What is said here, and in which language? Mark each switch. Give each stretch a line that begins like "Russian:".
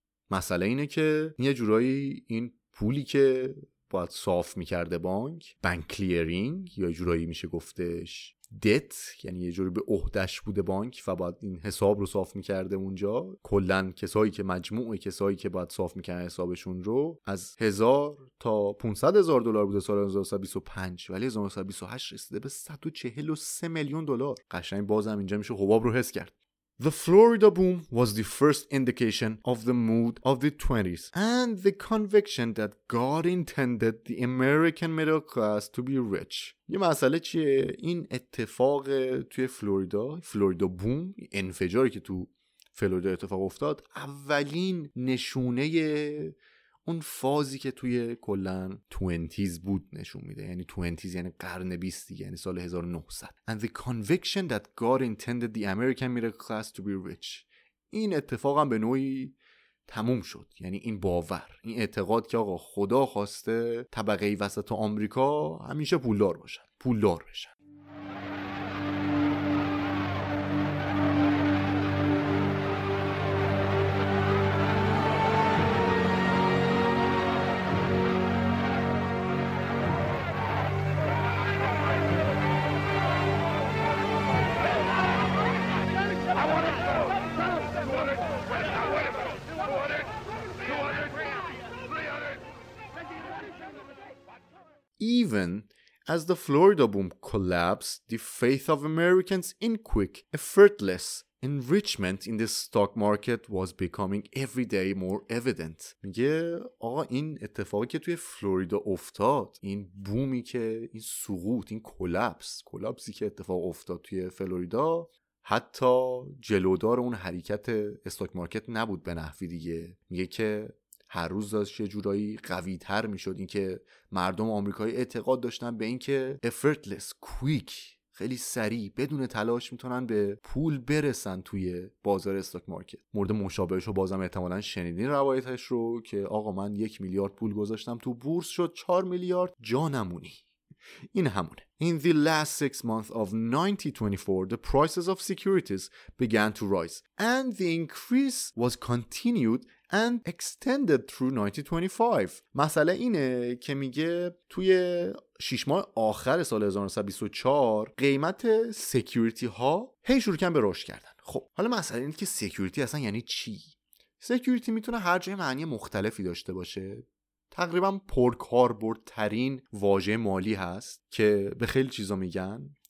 Persian: مسئله اینه که یه جورایی این پولی که باید صاف میکرده بانک کلیرینگ، یا یه جورایی میشه گفتش دت، یعنی یه جوری به عهدش بوده بانک و باید این حساب رو صاف میکرده اونجا، کلن کسایی که مجموع کسایی که باید صاف میکرده حسابشون رو، از 1000 تا 500 هزار دلار بوده سال 1925، ولی 1928 رسیده به 143 میلیون دلار. قشنگ بازم اینجا میشه حباب رو حس کرد.
English: The Florida boom was the first indication of the mood of the 20s and the conviction that God intended the American middle class to be rich.
Persian: یه مسئله چیه؟ این اتفاق توی فلوریدا، فلوریدا بوم، انفجاری که تو فلوریدا اتفاق افتاد، اولین نشونه اون فازی که توی کلن 20s بود نشون میده، یعنی 20s یعنی قرن 20 دیگه، یعنی سال 1900.
English: And the conviction that God intended the American middle class to be rich.
Persian: این اتفاق هم به نوعی تموم شد، یعنی این باور، این اعتقاد که آقا خدا خواسته طبقه وسط آمریکا همیشه پولدار باشن، پولدار بشن.
English: Even as the Florida boom collapsed, the faith of Americans in quick, effortless enrichment in the stock market was becoming every day more evident.
Persian: میگه آقا این اتفاقی که توی فلوریدا افتاد، این بومی که، این سقوط، این کلاپسی که اتفاق افتاد توی فلوریدا، حتی جلودار اون حرکت استاک مارکت نبود به نحوی دیگه. میگه که هر روز داشت یه جورایی قوی تر می شد، این که مردم آمریکایی اعتقاد داشتن به این که
English: effortless, quick،
Persian: خیلی سریع بدون تلاش می تونن به پول برسن توی بازار استاک مارکت. مورد مشابهش رو بازم احتمالاً شنیدین روایتش رو، که آقا من 1 میلیارد پول گذاشتم تو بورس، شد 4 میلیارد جانمونی. این همونه.
English: In the last 6 months of 1924, the prices of securities began to rise, and the increase was continued and extended through 1925.
Persian: مسئله اینه که میگه توی 6 ماه آخر سال 1924 قیمت سکیوریتی ها هی شروع کردن به رشد کردن. خب حالا مسئله اینه که سکیوریتی اصلا یعنی چی؟ سکیوریتی میتونه هر جای معنی مختلفی داشته باشه. تقریبا پرکاربردترین واژه مالی هست که به خیلی چیزا میگن.